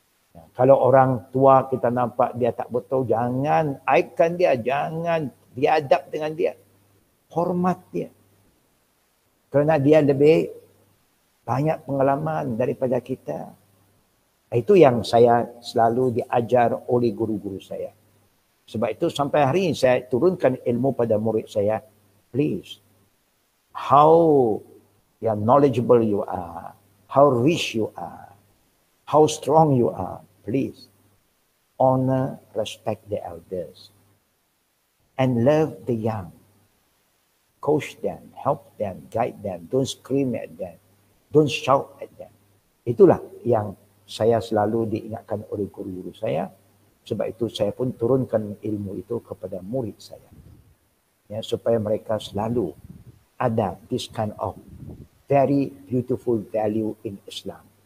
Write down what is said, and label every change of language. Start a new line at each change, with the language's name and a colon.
Malay: Nah, kalau orang tua kita nampak dia tak betul, jangan aibkan dia, jangan diadab dengan dia. Hormat dia. Kerana dia lebih banyak pengalaman daripada kita. Itu yang saya selalu diajar oleh guru-guru saya. Sebab itu sampai hari ini saya turunkan ilmu pada murid saya.
English: Please, how knowledgeable you are, how rich you are, how strong you are, please honor, respect the elders and love the young. Coach them, help them, guide them, don't scream at them, don't shout at them.
Malay: Itulah yang saya selalu diingatkan oleh guru-guru saya. Sebab itu saya pun turunkan ilmu itu kepada murid saya. Ya, supaya mereka selalu ada
English: this kind of very beautiful value in Islam.